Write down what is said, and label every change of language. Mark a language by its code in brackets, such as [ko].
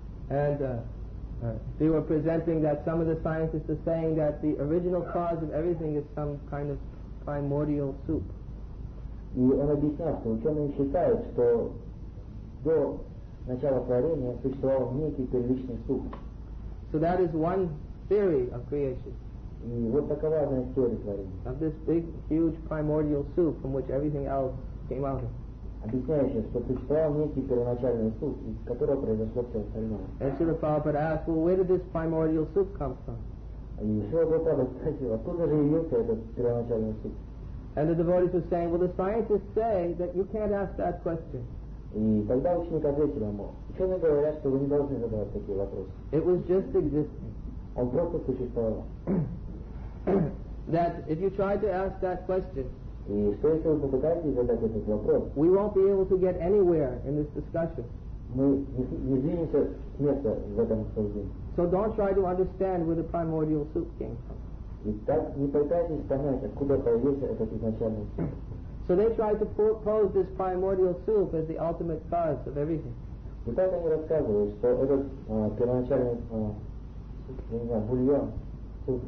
[en] And they were presenting that some of the scientists are saying that the original cause of everything is some kind of primordial soup. [ru] И он объяснял, что ученые считают, что до начала творения существовал некий первичный суп. [en] So that is one theory of creation. [ru] И вот такова одна из теорий творения. [en] Of this big, huge primordial soup from which everything else came out. [ru] Объясняющая, что существовал некий первоначальный суп, из которого произошло все остальное. [en] And so the Prabhupada asked, well, where did this primordial soup come from? [ru] И Шрила Прабхупада спросил, откуда же явился этот первоначальный суп? [en] And the devotees were saying, well, the scientists say that you can't ask that question. [ru] И тогда ученик ответил ему, ученые говорят, что вы не должны задавать такие вопросы. [en] It was just existing. [ru] Он просто существовал. [en] That if you try to ask that question, [ru] и что если вы попытаетесь задать этот вопрос, [en] we won't be able to get anywhere in this discussion. [ru] Мы не двинемся с места в этом обсуждении. [en] So don't try to understand where the primordial soup came from. [ru] Итак, не пытайтесь понять, откуда появился этот изначальный суп. [en] So they tried to pose this primordial soup as the ultimate cause of everything. [ru] И так они рассказывают, что этот первоначальный, я не знаю, бульон, суп,